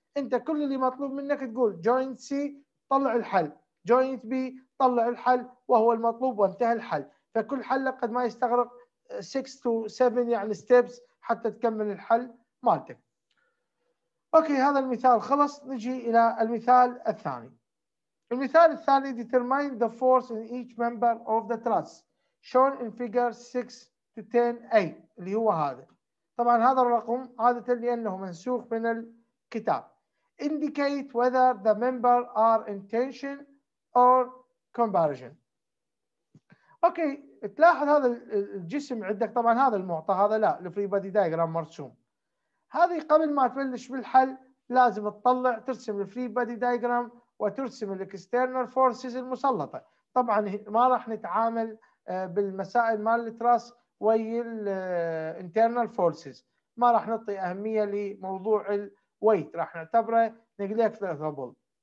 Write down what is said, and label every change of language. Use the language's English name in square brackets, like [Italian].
[Arabic] انت كل اللي مطلوب منك تقول جوينت سي طلع الحل، جوينت بي طلع الحل وهو المطلوب وانتهى الحل. فكل حل قد ما يستغرق 6 تو 7 يعني ستيبس حتى تكمل الحل مالتك. اوكي هذا المثال خلص، نجي الى المثال الثاني. المثال الثاني [English] determine the force in each member of the truss shown in figure 6-10A [Arabic] اللي هو هذا. طبعا هذا الرقم عادة لأنه منسوخ من الكتاب. [English] Indicate whether the member are in tension or compression. [Arabic] اوكي تلاحظ هذا الجسم عندك، طبعا هذا المعطى، هذا لا الفري بادي دايجرام مرسوم. هذه قبل ما تبلش بالحل لازم تطلع ترسم الفري بادي دايجرام وترسم الاكسترنال فورسز المسلطة. طبعا ما راح نتعامل بالمسائل مال التراس وي الانترنال فورسز، ما راح نعطي اهميه لموضوع الويت، راح نعتبره نيجليكتبل.